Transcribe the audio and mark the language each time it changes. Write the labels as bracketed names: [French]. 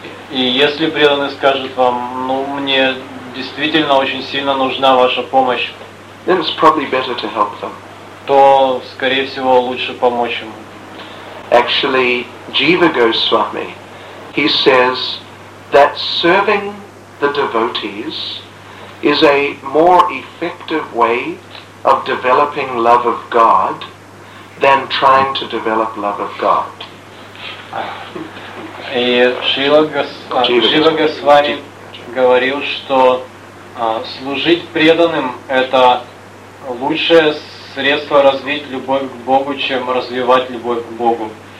[Russian] И если преданный скажет вам, ну мне действительно очень сильно нужна ваша помощь. [English] Then it's probably better to help them. [Russian] То, скорее всего, лучше помочь ему. [English] Actually, Jiva Goswami, he says that serving the devotees is a more effective way of developing love of God than trying to develop love of God. [Russian] И Jiva Goswami говорил, что служить преданным – это лучшее средство развить любовь к Богу, чем развивать любовь к Богу.